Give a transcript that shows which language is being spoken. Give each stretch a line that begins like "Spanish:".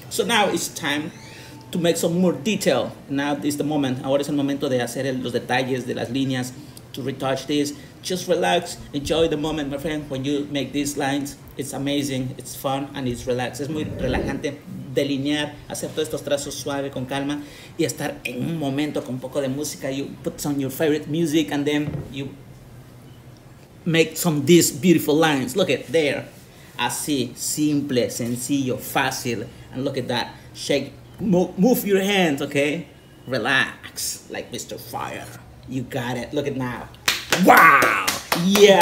English: So now it's time to make some more detail. Now is the moment.
Spanish: Ahora es el momento de hacer los detalles de las líneas.
English: To retouch this. Just relax. Enjoy the moment, my friend. When you make these lines, it's amazing. It's fun and it's relaxed.
Spanish: Es muy relajante delinear, hacer todos estos trazos suave con calma y estar en un momento con un poco de música.
English: You put on your favorite music and then you make some these beautiful lines. Look at there.
Spanish: Así, simple, sencillo, fácil.
English: And look at that. Shake, move your hands, okay? Relax, like Mr. Fire. You got it. Look at now. Wow! Yeah!